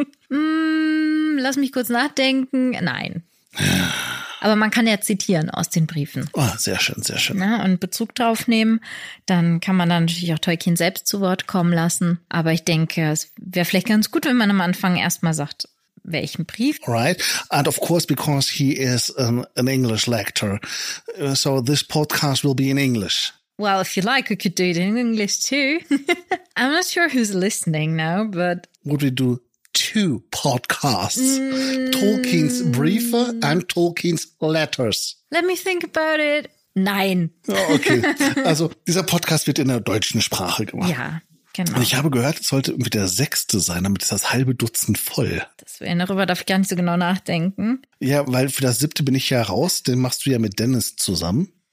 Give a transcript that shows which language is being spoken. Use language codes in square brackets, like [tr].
[de] Lass mich kurz nachdenken. Nein. Aber man kann ja zitieren aus den Briefen. Oh, sehr schön, sehr schön. Ja, und Bezug drauf nehmen. Dann kann man dann natürlich auch Tolkien selbst zu Wort kommen lassen. Aber ich denke, es wäre vielleicht ganz gut, wenn man am Anfang erstmal sagt, welchen Brief. [en] Right. And of course, because he is an English lector. So this podcast will be in English. Well, if you like, we could do it in English too. I'm not sure who's listening now, but... Would we do 2 podcasts? Tolkien's Briefe and Tolkien's Letters. Let me think about it. [de] Nein. Okay, also dieser Podcast wird in der deutschen Sprache gemacht. Ja, genau. Und ich habe gehört, es sollte irgendwie der 6. sein, damit ist das halbe Dutzend voll. Darüber darf ich gar nicht so genau nachdenken. Ja, weil für das 7. bin ich ja raus, den machst du ja mit Dennis zusammen.